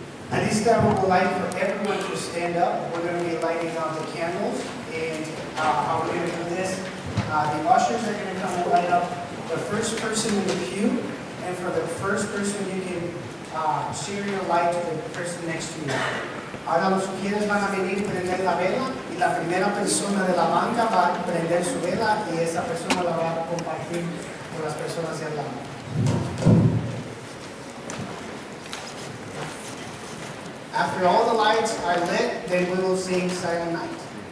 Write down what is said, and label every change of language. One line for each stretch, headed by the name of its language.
English: At this time, we would like for everyone to stand up. We're going to be lighting up the candles. And how we're going to do this, the ushers are going to come and light up the first person in the pew. And for the first person, you can share your light to the person next to you.
Spanish: Ahora los pianos van a venir a prender la vela y la primera persona de la banca va a prender su vela y esa persona la va a compartir con las personas de al lado.
English: After all the lights are lit, then we will sing Silent Night.